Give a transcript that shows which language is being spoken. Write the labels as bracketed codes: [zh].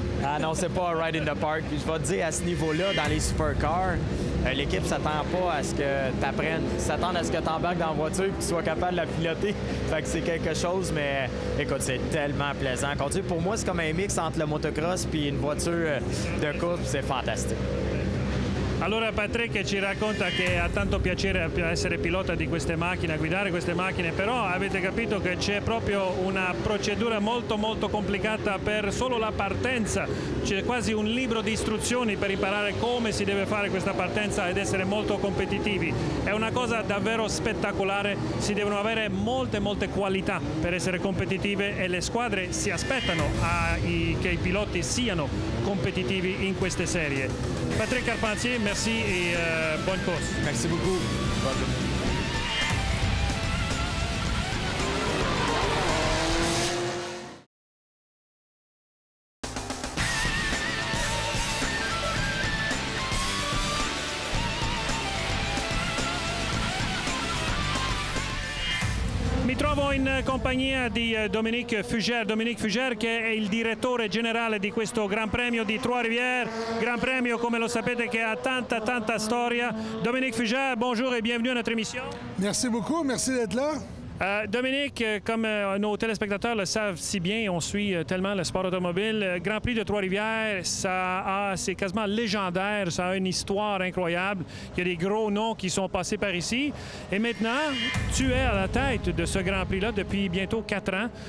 [fr] Ah non, c'est pas un [en] ride in the park. [fr] Je vais te dire, à ce niveau-là, dans les supercars, l'équipe s'attend pas à ce que tu apprennes. S'attend à ce que tu embarques dans la voiture et que tu sois capable de la piloter. Fait que c'est quelque chose, mais écoute, c'est tellement plaisant. Conduire, pour moi, c'est comme un mix entre le motocross et une voiture de course. C'est fantastique. [it] Allora Patrick ci racconta che ha tanto piacere essere pilota di queste macchine, guidare queste macchine, però avete capito che c'è proprio una procedura molto molto complicata per solo la partenza, c'è quasi un libro di istruzioni per imparare come si deve fare questa partenza ed essere molto competitivi, è una cosa davvero spettacolare, si devono avere molte molte qualità per essere competitive e le squadre si aspettano che i piloti siano competitivi in queste serie. [fr] Patrick Carpentier, merci et bonne course. Merci beaucoup. [it] In compagnia di Dominique Fugère. Dominique Fugère che è il direttore generale di questo Gran Premio di Trois-Rivières. Gran Premio, come lo sapete, che ha tanta, tanta storia. [fr] Dominique Fugère, bonjour et bienvenue à notre émission. Merci beaucoup, merci d'être là. Dominique, comme nos téléspectateurs le savent si bien, on suit tellement le sport automobile. Grand Prix de Trois-Rivières, c'est quasiment légendaire, ça a une histoire incroyable. Il y a des gros noms qui sont passés par ici. Et maintenant, tu es à la tête de ce Grand Prix-là depuis bientôt 4 ans.